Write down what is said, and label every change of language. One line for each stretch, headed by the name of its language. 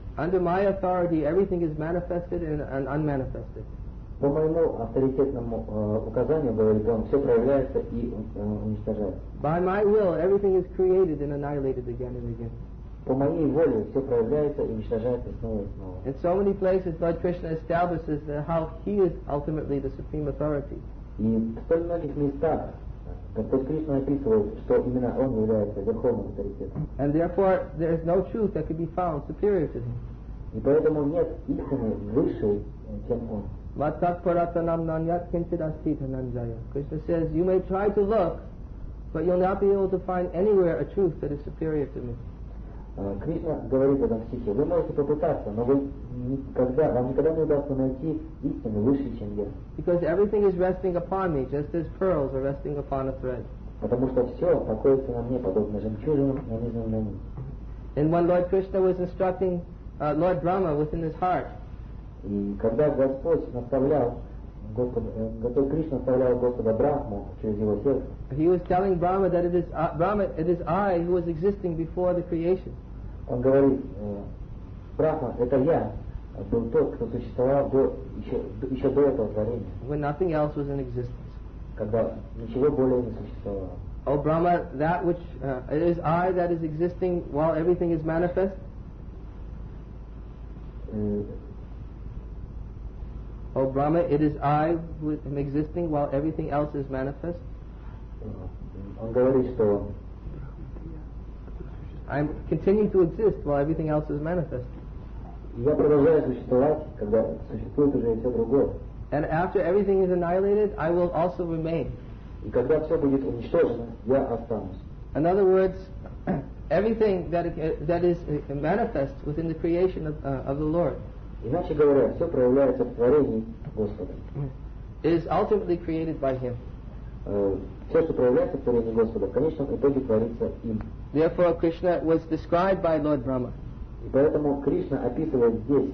English: Under my authority, everything is manifested and unmanifested.
Russian: По моему авторитетному указанию, говорит он, все проявляется и уничтожается.
English: By my will, everything is created and annihilated again and again.
Russian: По моей воле все проявляется и уничтожается снова и снова.
English: In so many places, Lord Krishna establishes that how he is ultimately the supreme authority.
Russian: И в столь многих местах Господь Кришна описывает, что именно Он является верховным авторитетом.
English: And therefore, there is no truth that could be found superior to Him.
Russian: И поэтому нет истины выше, чем Он.
Sanskrit: Matak paratanam nanyat kinchit asti dhananjaya.
English: Krishna says, you may try to look, but you'll not be able to find anywhere a truth that is superior to me.
Russian: Кришна говорит в этом стихе, вы можете попытаться, но вам никогда не удастся найти истину выше, чем я.
English: Because everything is resting upon me, just as pearls are resting upon a thread.
Russian: Потому что все покоится на мне, подобно жемчужинам, нанизанным на нить.
English: And when Lord Krishna was instructing Lord Brahma within his heart,
Russian: и когда Господь наставлял Господа, Кришна наставлял Господа Брахму через его сердце,
English: he was telling Brahma that it is Brahma, it is I who was existing before the creation.
Russian: Он говорит, Брахма, это я был тот, кто существовал до еще до этого творения.
English: When nothing else was in existence.
Russian: Когда ничего более не существовало.
English: O Brahma, that which it is I that is existing while everything is manifest. O Brahma, it is I who am existing while everything else is manifest.
Russian: Он говорит, что
English: I'm continuing to exist while everything else is manifest.
Russian: Я продолжаю существовать, когда существует уже все другое.
English: And after everything is annihilated, I will also remain.
Russian: И когда все будет уничтожено, я останусь.
English: In other words, everything that is manifest within the creation of the Lord.
Russian: Иначе говоря, все проявляется в творении Господа.
English: Is ultimately created by Him.
Russian: Все, что проявляется в творении Господа, в конечном итоге творится им.
English: Therefore, Krishna was described by Lord Brahma.
Russian: И поэтому Кришна описывает здесь,